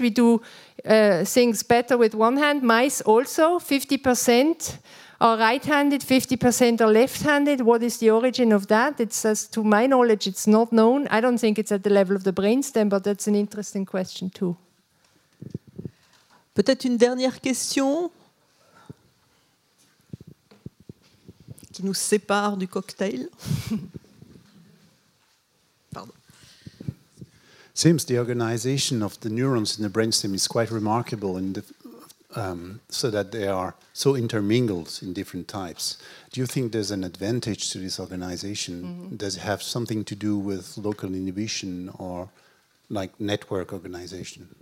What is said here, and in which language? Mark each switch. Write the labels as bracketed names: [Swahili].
[English] We do things better with one hand. Mice also, 50% are right-handed, 50% are left-handed. What is the origin of that? It's, as to my knowledge, it's not known. I don't think it's at the level of the brainstem, but that's an interesting question too. [French] Peut-être une dernière question qui nous sépare du cocktail. [English] Seems the organization of the neurons in the brainstem is quite remarkable, so that they are so intermingled in different types. Do you think there's an advantage to this organization? Mm-hmm. Does it have something to do with local inhibition or like network organization?